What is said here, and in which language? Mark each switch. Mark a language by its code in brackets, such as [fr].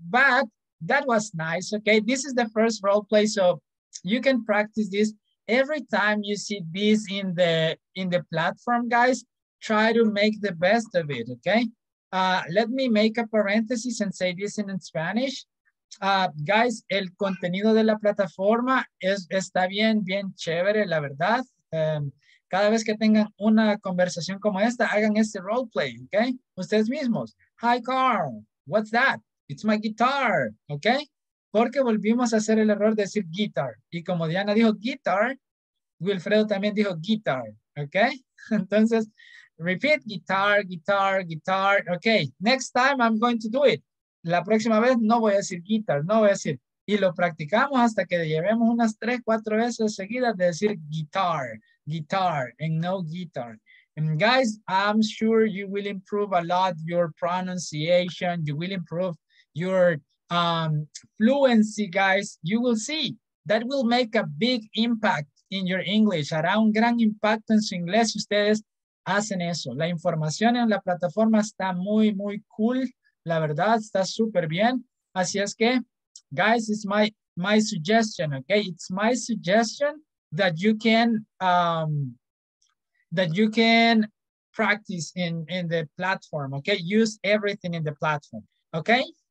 [en] But that was nice, okay? This is the first role play, so you can practice this. Every time you see this in the platform, guys, try to make the best of it, okay? Let me make a parenthesis and say this in Spanish. [es] Guys, el contenido de la plataforma está bien, bien chévere, la verdad. Cada vez que tengan una conversación como esta, hagan este role play, okay? Ustedes mismos. [en] Hi, Carl. What's that? It's my guitar, okay? [es] Porque volvimos a hacer el error de decir guitar. Y como Diana dijo guitar, Wilfredo también dijo guitar, okay? [en] Entonces, repeat guitar, guitar, guitar. Okay, next time I'm going to do it. [es] La próxima vez no voy a decir guitar, no voy a decir. Y lo practicamos hasta que llevemos unas 3-4 veces seguidas de decir guitar, guitar, [en] and no guitar. And guys, I'm sure you will improve a lot your pronunciation. You will improve your fluency, guys. You will see that will make a big impact in your English. [es] Hará un gran impacto en su inglés si ustedes hacen eso. La información en la plataforma está muy, muy cool. La verdad, está súper bien. Así es que, [en] guys, it's my suggestion, okay? It's my suggestion that you can practice in the platform, okay? Use everything in the platform, okay?